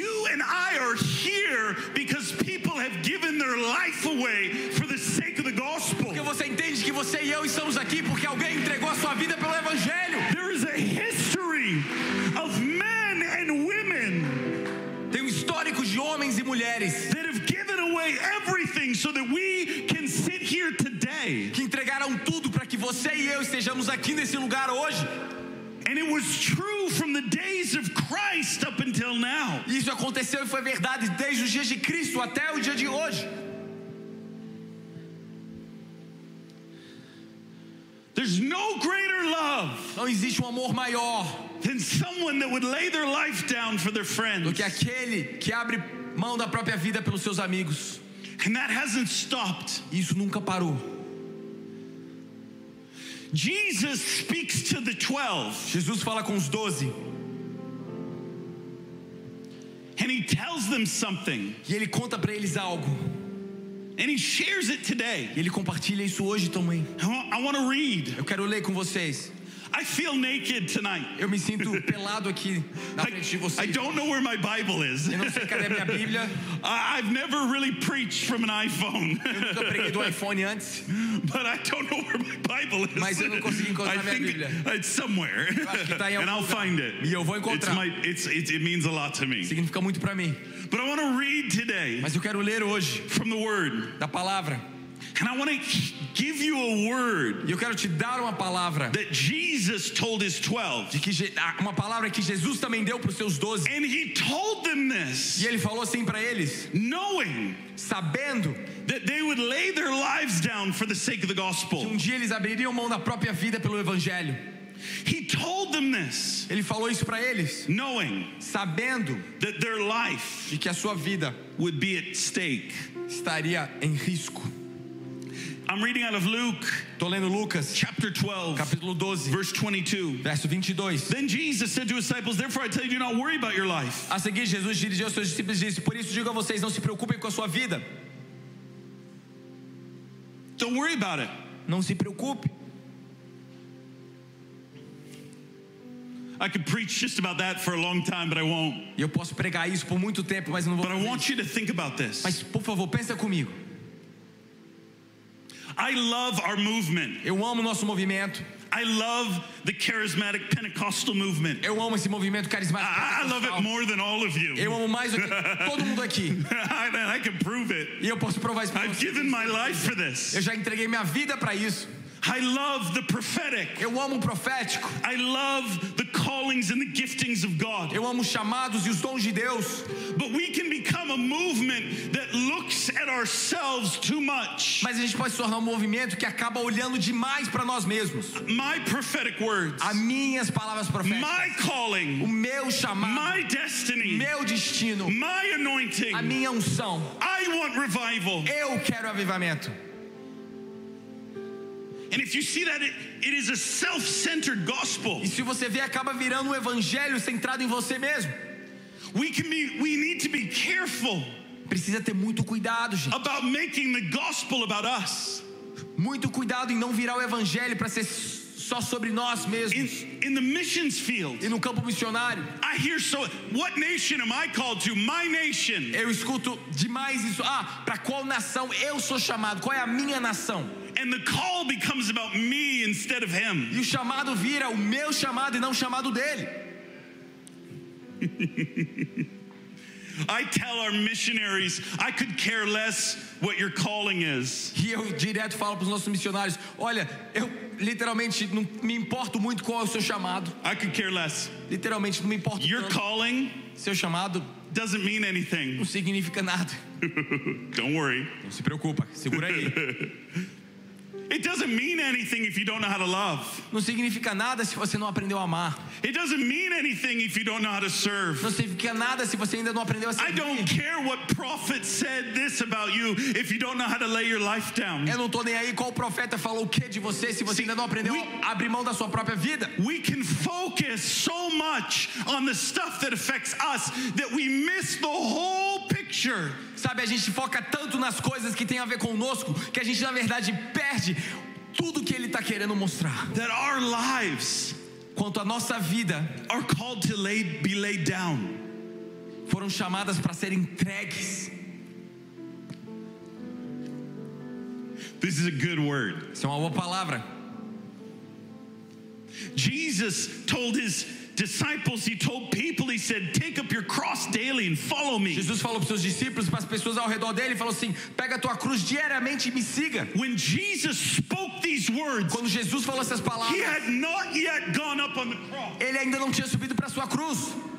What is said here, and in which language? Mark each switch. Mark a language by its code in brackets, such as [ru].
[en] You and I are here because people have given their life away for the sake. [pt] Porque você entende que você e eu estamos aqui porque alguém entregou a sua vida pelo evangelho. [en] There is a history of men and women. [pt] Tem um histórico de homens e mulheres. [en] That have given away everything so that we can sit here today. [pt] Que entregaram tudo para que você e eu estejamos aqui nesse lugar hoje. [en] And it was true from the days of Christ up until now. [pt] Isso aconteceu e foi verdade desde os dias de Cristo até o dia de hoje. [en] There's no greater love. [pt] Não existe um amor maior. [en] Than someone that would lay their life down for their friends. [pt] Do que aquele que abre mão da própria vida pelos seus amigos. [en] And that hasn't stopped. [pt] Isso nunca parou. [en] Jesus speaks to the 12. [pt] Jesus fala com os 12. [en] And he tells them something. [pt] E ele conta para eles algo. [en] And he shares it today. [pt] Ele compartilha isso hoje também. [en] I want to read. [pt] Eu quero ler com vocês. [en] I feel naked tonight. [pt] Eu me sinto pelado aqui na frente de vocês. [en] I don't know where my Bible is. [pt] Eu não sei cadê a minha Bíblia. [en] I've never really preached from an iPhone. [pt] Eu nunca preguei do iPhone antes. [en] But I don't know where my Bible is. [pt] Mas eu não consigo encontrar [en] I [pt] minha [en] think [pt] Bíblia. [en] It's somewhere. [pt] Tá [en] and [pt] lugar. [en] I'll find it. [pt] E eu vou encontrar. [en] It means a lot to me. [pt] Significa muito para mim. [en] But I want to read today. [pt] Mas eu quero ler hoje. [en] From the Word. [pt] Da palavra. [en] And I want to give you a word. [pt] Eu quero te dar uma palavra. [en] That Jesus told his 12. [pt] De que uma palavra que Jesus também deu para os seus 12. [en] And he told them this. [pt] E ele falou assim para eles. [en] Knowing, [pt] sabendo, [en] that they would lay their lives down for the sake of the gospel. [pt] Que um dia eles abririam mão da própria vida pelo evangelho. [en] He told them this. [pt] Ele falou isso para eles. [en] Knowing, [pt] sabendo, [en] that their life, [pt] de que a sua vida, [en] would be at stake. [pt] Estaria em risco. [en] I'm reading out of Luke. [pt] Tô lendo Lucas. [en] Chapter 12. [pt] Capítulo 12. [en] Verse 22. [pt] Verso 22. [en] Then Jesus said to his disciples, "Therefore I tell you, do not worry about your life." [pt] A seguir, Jesus dirigiu aos seus discípulos e disse, "Por isso digo a vocês, não se preocupem com a sua vida." [en] Don't worry about it. [pt] Não se preocupe. [en] I could preach just about that for a long time, but I won't. [pt] Eu posso pregar isso por muito tempo, mas não vou. [en] But I want you to think about this. [pt] Mas por favor, pensa comigo. [en] I love our movement. [pt] Eu amo nosso movimento. [en] I love the charismatic Pentecostal movement. [pt] Eu amo esse movimento carismático. [en] I love it more than all of you. [pt] Eu amo mais do que todo mundo aqui. [en] I can prove it. [pt] E eu posso provar isso. [en] I've given my life for this. [pt] Eu já entreguei minha vida para isso. [en] I love the prophetic. [pt] Eu amo o profético. [en] I love the callings and the giftings of God. [pt] Eu amo os chamados e os dons de Deus. [en] But we can become a movement that looks at ourselves too much. [pt] Mas a gente pode se tornar um movimento que acaba olhando demais para nós mesmos. [en] My prophetic words. [pt] As minhas palavras proféticas. [en] My calling. [pt] O meu chamado. [en] My destiny. [pt] Meu destino. [en] My anointing. [pt] A minha unção. [en] I want revival. [pt] Eu quero avivamento. [en] And if you see that it is a self-centered gospel. [pt] E se você vê, acaba virando um evangelho centrado em você mesmo. [en] We need to be careful. [pt] Precisa ter muito cuidado, gente. [en] About making the gospel about us. [pt] Muito cuidado em não virar o evangelho para ser só sobre nós mesmos. [en] In the missions field. [pt] E no campo missionário. [en] I hear so what nation am I called to? My nation. [pt] Eu escuto demais isso. Ah, para qual nação eu sou chamado? Qual é a minha nação? [en] And the call becomes about me instead of him. [pt] E o chamado vira o meu chamado e não o chamado dele. [en] I tell our missionaries, I could care less what your calling is. [pt] E eu direto falo para os nossos missionários, olha, eu literalmente não me importo muito qual é o seu chamado. [en] I could care less. [pt] Literalmente não me importo [en] your [pt] tanto. [en] Calling [pt] seu chamado [en] doesn't mean anything. [pt] Não significa nada. [en] Don't worry. [pt] Não se preocupa, segura aí. [en] It doesn't mean anything if you don't know how to love. [pt] Não significa nada se você não aprendeu a amar. [en] It doesn't mean anything if you don't know how to serve. [pt] Não significa nada se você ainda não aprendeu a servir. [en] I don't care what prophet said this about you if you don't know how to lay your life down. [pt] Eu não tô nem aí qual profeta falou o que de você se você ainda não aprendeu a abrir mão da sua própria vida. [en] We can focus so much on the stuff that affects us that we miss the whole picture. [pt] Sabe, a gente foca tanto nas coisas que tem a ver conosco que a gente na verdade perde tudo que ele tá querendo mostrar. [en] That our lives, [pt] quanto à nossa vida, [en] are called to be laid down. [pt] Foram chamadas para serem entregues. [en] This is a good word. [pt] Isso é uma boa palavra. [en] Jesus told his disciples, he told people, he said, "Take up your cross daily and follow me." [pt] Jesus falou para os seus discípulos, para as pessoas ao redor dele, falou assim: "Pega a tua cruz diariamente e me siga." [en] When Jesus spoke these words, [pt] quando Jesus falou essas palavras, [en] he had not yet gone up on the cross. [pt] Ele ainda não tinha subido para a sua cruz.